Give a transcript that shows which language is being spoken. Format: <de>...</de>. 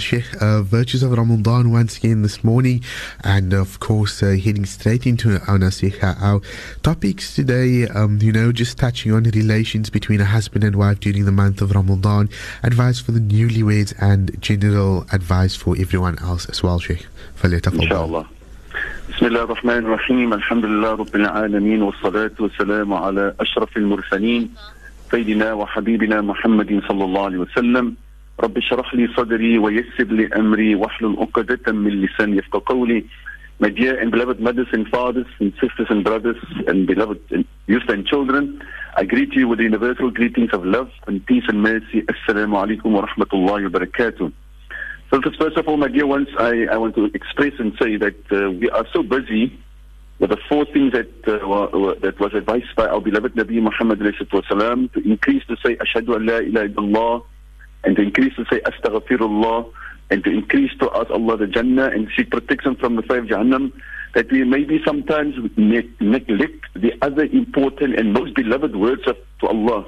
<en>Sheikh, virtues of Ramadan once again this morning, and of course, heading straight into our nasihah. Our topics today, just touching on relations between a husband and wife during the month of Ramadan, advice for the newlyweds, and general advice for everyone else as well, Sheikh. Inshallah.</en> <ar>بسم الله الرحمن الرحيم الحمد لله رب العالمين والصلاة والسلام على أشرف المرسلين سيدنا وحبيبنا محمد صلى الله عليه وسلم رب اشرح لي صدري ويسر لي أمري واحلل عقدة من لساني يفقه قولي.</ar> <en>My dear and beloved mothers and fathers and sisters and brothers and beloved youth and children, I greet you with universal greetings of love and peace and mercy.</en> <ar>السلام عليكم ورحمة الله وبركاته.</ar> <en>So first of all, my dear ones, I want to express and say that we are so busy with the four things that that was advised by our beloved Nabi Muhammad ﷺ, to increase to say</en> <ar>Ashhadu an la ilaha illallah,</ar> <en>and to increase to say Astaghfirullah, and to increase to ask Allah the Jannah and seek protection from the fire of Jahannam, that we maybe sometimes neglect the other important and most beloved words to Allah.</en>